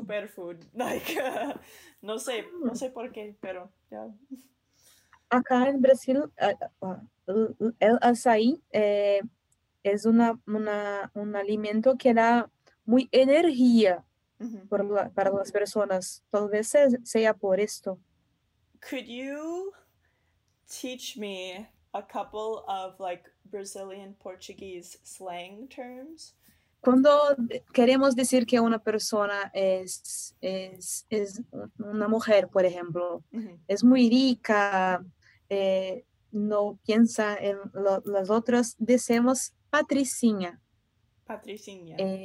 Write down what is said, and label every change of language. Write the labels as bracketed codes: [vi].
[en] superfood, like, [es] no sé por qué, pero ya. [en] Yeah. [es] Acá en Brasil el açaí es un alimento que da muy energía para las personas. Tal vez sea por esto. [en] Could you teach me a couple of like Brazilian Portuguese slang terms? [es] Cuando queremos decir que una persona es una mujer, por ejemplo, es muy rica, no piensa en las otras, decimos patricinha. [pt] Patricinha.